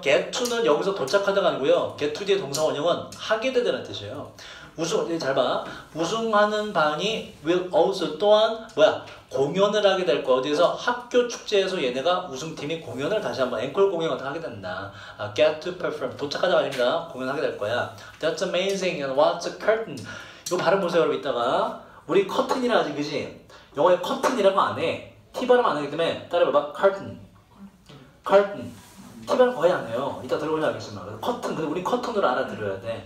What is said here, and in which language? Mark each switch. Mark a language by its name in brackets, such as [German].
[English] get to [Korean] 는 여기서 도착하다가 아니고요. get to 뒤에 동사 원형은 하게 되다는 뜻이에요. 우승 이제 잘 봐. 우승하는 반이 [English] will also [Korean] 또한 뭐야? 공연을 하게 될 거야. 어디에서? 학교 축제에서 얘네가 우승팀이 공연을 다시 한번 앵콜 공연을 하게 된다. [English] get to perform [Korean] 도착하다가 아니라 공연하게 될 거야. [English] That's amazing. And what's a curtain? [Korean] 이거 발음 보세요, 여러분. 이따가 우리 커튼이라 하지, 그지? 영어에 커튼이라고 안 해. T 발음 안 하기 때문에 따라해봐봐. 커튼. 커튼. T 발음 거의 안 해요. 이따 들어보자 하겠습니다. 그래서 커튼. 근데 우리 커튼으로 알아들어야 돼.